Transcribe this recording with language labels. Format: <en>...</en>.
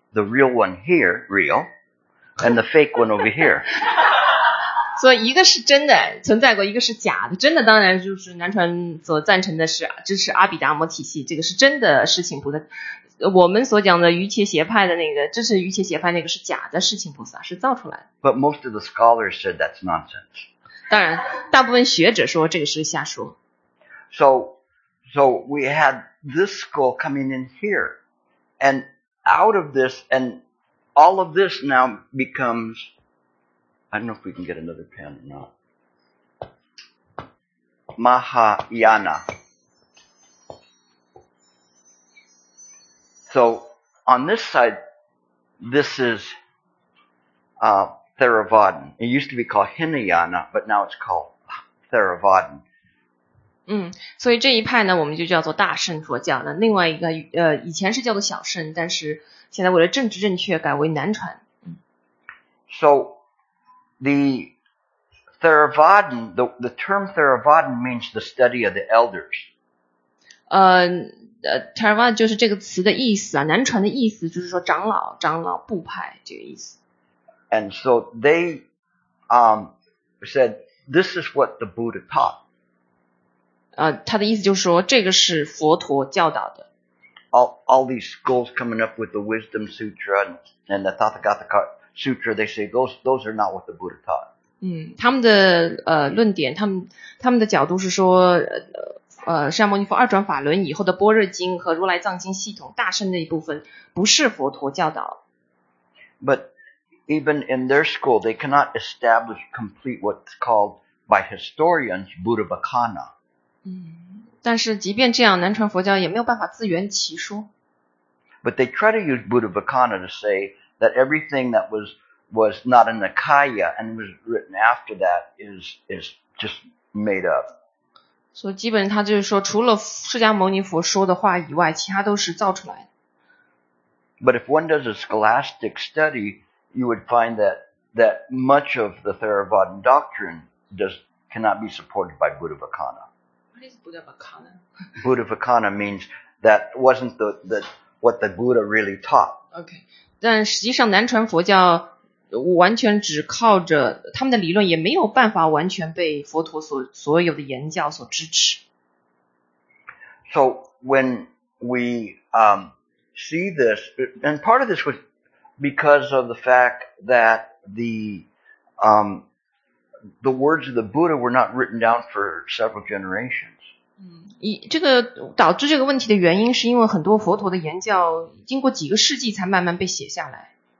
<en>The real one here, real, and the fake one over here.</en> <zh>所以一个是真的存在过，一个是假的。真的当然就是南传所赞成的是支持阿毗达摩体系，这个是真的世亲菩萨。我们所讲的瑜伽邪派的那个支持瑜伽邪派那个是假的世亲菩萨，是造出来的。</zh> <en>But most of the scholars said that's nonsense.</en> <zh>当然，大部分学者说这个是瞎说。</zh> <en>So we had this school coming in here, and out of this, and all of this now becomes. I don't know if we can get another pen or not. Mahayana. So, on this side, this is Theravadin. It used to be called Hinayana, but now it's called Theravadin.</en> <zh>所以这一派呢，我们就叫做大乘佛教。那另外一个，以前是叫做小乘，但是现在为了政治正确改为南传。</zh> <en>So the Theravadin, the term Theravadin means the study of the elders.</en> <zh>Theravadin 就是这个词的意思啊，南传的意思就是说长老，长老部派这个意思。</zh> <en>And so they said, this is what the Buddha taught.</en> <zh>他的意思就是说这个是佛陀教导的。</zh> <en>All these schools coming up with the Wisdom Sutra and the Tathagatha Sutra, they say those are not what the Buddha taught.</en> <zh>他们的论点，他们的角度是说，释迦牟尼佛二转法轮以后的般若经和如来藏经系统大乘那一部分不是佛陀教导。</zh> <en>But even in their school, they cannot establish complete what's called by historians Buddhavacana.</en> <zh>但是即便这样，南传佛教也没有办法自圆其说。</zh> <en>But they try to use Buddhavacana to say that everything that was not in the Kaya and was written after that is just made up.</en> <zh>所以基本上他就是说，除了释迦牟尼佛说的话以外，其他都是造出来的。</zh> <en>But if one does a scholastic study, you would find that much of the Theravadin doctrine cannot be supported by Buddhavacana. What is Buddhavacana? Buddhavacana means that wasn't what the Buddha really taught. Okay.</en> <zh>但实际上南传佛教完全只靠着他们的理论，也没有办法完全被佛陀所有的言教所支持。</zh> <en>So when we see this, and part of this was because of the fact that the words of the Buddha were not written down for several generations.</en> <zh>这个导致这个问题的原因是因为很多佛陀的言教经过几个世纪才慢慢被写下来。</zh>